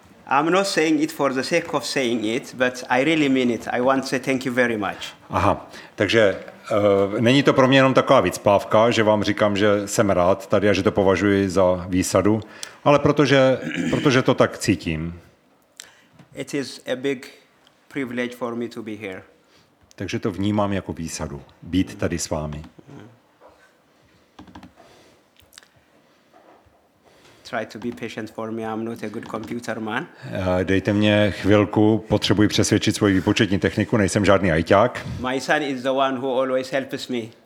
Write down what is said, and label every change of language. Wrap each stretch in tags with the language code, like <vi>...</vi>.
<en>I'm not saying it for the sake of saying it, but I really mean it. I want to say thank you very much.</en> <cs>Aha, takže není to pro mě jenom taková vycpávka, že vám říkám, že jsem rád tady a že to považuji za výsadu, ale protože to tak cítím.</cs> <en>It is a big privilege for me to be here.</en> <cs>Takže to vnímám jako výsadu, být tady s vámi.</cs> <en>Try to be patient for me. I'm not a good computer man.</en> <cs>Dejte mě chvilku, potřebuji přesvědčit svoji výpočetní techniku, nejsem žádný ajťák.</cs> <en>My son is the one who always helps me.</en>